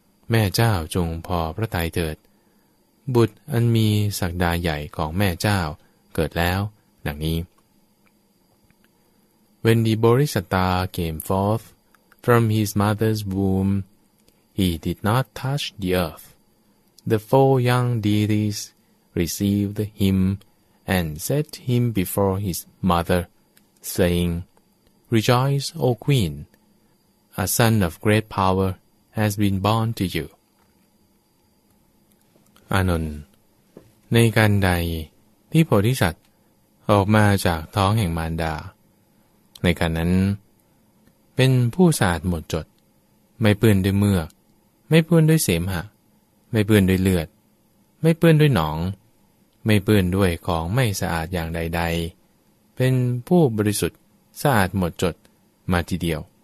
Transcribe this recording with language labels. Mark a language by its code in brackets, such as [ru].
[th] แม่เจ้าจงพอพระทัยเถิดบุตรอันมีศักดาใหญ่ของแม่เจ้าเกิดแล้วดังนี้ [en] When the Bodhisattva came forth from his mother's womb, he did not touch the earth. The four young deities received him and set him before his mother, saying, Rejoice, O Queen! a son of great power has been born to you. [th] Anon, ในการใดที่โพธิสัตว์ออกมาจากท้องแห่งมารดาในการนั้นเป็นผู้สะอาดหมดจดไม่เปื้อนด้วยเมือกไม่เปื้อนด้วยเสมหะไม่เปื้อนด้วยเลือดไม่เปื้อนด้วยหนองไม่เปื้อนด้วยของไม่สะอาดอย่างใดใดเป็นผู้บริสุทธิ์สะอาดหมดจดมาทีเดียว